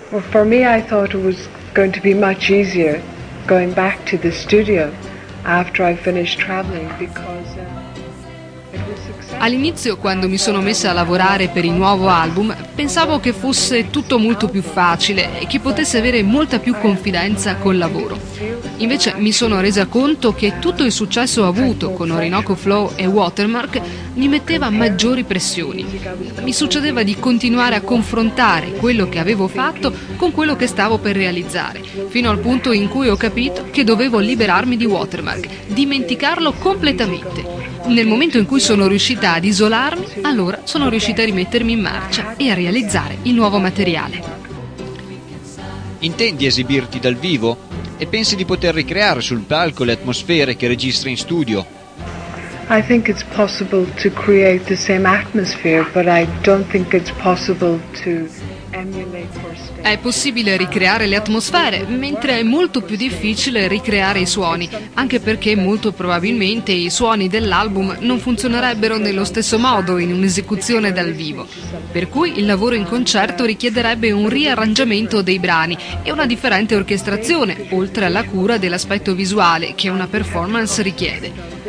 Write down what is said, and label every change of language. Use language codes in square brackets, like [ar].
[en] For me, I thought it was going to be much easier going back to the studio after I finished traveling because it was successful. [it] All'inizio, quando mi sono messa a lavorare per il nuovo album, pensavo che fosse tutto molto più facile e che potesse avere molta più confidenza col lavoro. Invece mi sono resa conto che tutto il successo avuto con Orinoco Flow e Watermark mi metteva maggiori pressioni. Mi succedeva di continuare a confrontare quello che avevo fatto con quello che stavo per realizzare, fino al punto in cui ho capito che dovevo liberarmi di Watermark, dimenticarlo completamente. Nel momento in cui sono riuscita ad isolarmi, allora sono riuscita a rimettermi in marcia e a realizzare il nuovo materiale. Intendi esibirti dal vivo? E pensi di poter ricreare sul palco le atmosfere che registri in studio? [en] I think it's possible to create the same atmosphere, but I don't think it's possible to emulate for stage. [it] È possibile ricreare le atmosfere, mentre è molto più difficile ricreare i suoni, anche perché molto probabilmente i suoni dell'album non funzionerebbero nello stesso modo in un'esecuzione dal vivo. Per cui il lavoro in concerto richiederebbe un riarrangiamento dei brani e una differente orchestrazione, oltre alla cura dell'aspetto visuale che una performance richiede.